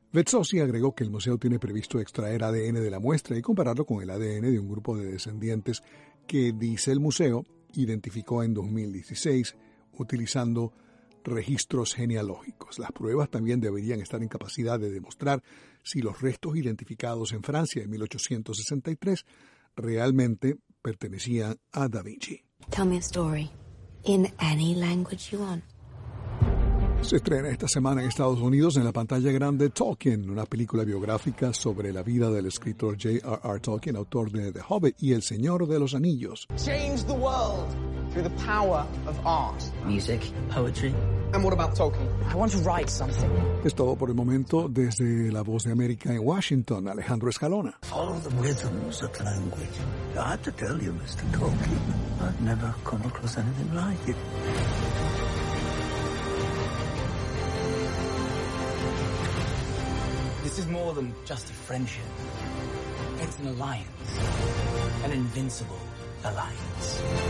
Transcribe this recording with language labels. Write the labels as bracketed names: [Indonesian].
[Spanish] Bezzosi agregó que el museo tiene previsto extraer ADN de la muestra y compararlo con el ADN de un grupo de descendientes que, dice el museo, identificó en 2016 utilizando registros genealógicos. Las pruebas también deberían estar en capacidad de demostrar si los restos identificados en Francia en 1863 realmente pertenecían a Da Vinci. [English] Tell me a story in any language you want. [Spanish] Se estrena esta semana en Estados Unidos en la pantalla grande Tolkien, una película biográfica sobre la vida del escritor J.R.R. Tolkien, autor de [English] The Hobbit [Spanish] y El Señor de los Anillos. [English] Change the world through the power of art. Music, poetry. And what about Tolkien? I want to write something. [Spanish] Es todo por el momento desde La Voz de América en Washington, Alejandro Escalona. [English] Follow the rhythms of language. I have to tell you, Mr. Tolkien, I've never come across anything like it. This is more than just a friendship. It's an alliance. An invincible alliance.